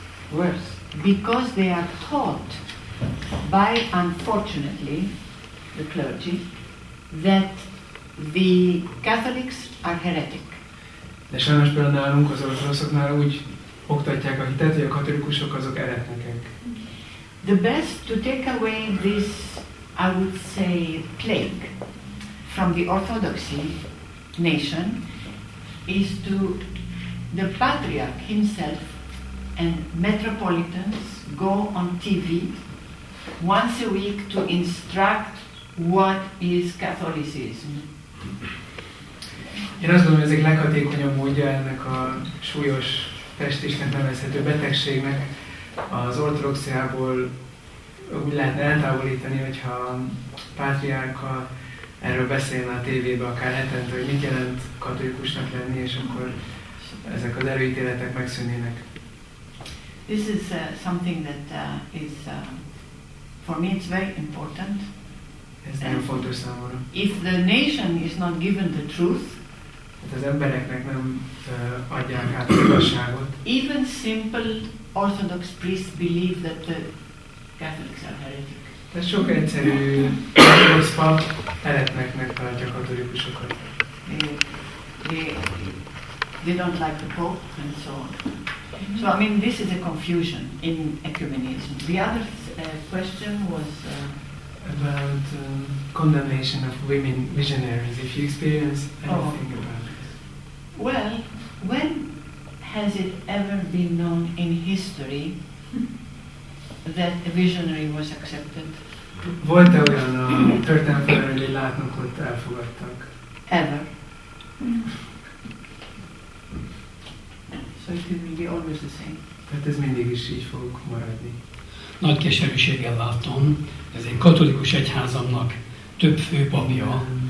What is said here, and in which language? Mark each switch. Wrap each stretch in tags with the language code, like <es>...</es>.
<en>Worse, because they are taught by, unfortunately, the clergy, that the Catholics are heretic.</en> <hu>De sajnos például nálunk az ortodoxoknál úgy oktatják a hitet, hogy a katolikusok azok eretnekek.</hu> <en>The best to take away this, I would say, plague from the orthodoxy nation is to the patriarch himself and metropolitans go on TV once a week to instruct what is Catholicism.</en> <hu>Én azt gondolom, ez egy leghatékonyabb módja ennek a súlyos testisnek nevezhető betegségnek az ortodoxiából úgy lehetne eltávolítani, hogyha a pátriárka erről beszélne a tévében akár hetente, hogy mit jelent katolikusnak lenni, és akkor ezek az erőítéletek megszűnnének.</hu> <en>This is something that is for me it's very important.</en> <hu>Ez nagyon fontos számomra.</hu> <en>If the nation is not given the truth,</en> <hu>hát az embereknek nem adják át az igazságot.</hu> <en>Even simple Orthodox priests believe that the Catholics are heretic.</en> <hu>Tehát sok egyszerű Orthodox pap eretneknek tartja a katolikusokat.</hu> <en>They don't like the Pope and so on. So I mean, this is a confusion in ecumenism. The other question was about condemnation of women visionaries. If you experience anything about this. Well, when has it ever been known in history that a visionary was accepted?</en> <hu>Volt-e olyan a történelemben, hogy egy látnokot elfogadtak?</hu> <en>Ever. So it will be always the same.</en> <hu>Tehát ez mindig is így fog maradni. Nagy keserűséggel látom, ez egy katolikus egyházamnak több főpapja.</hu>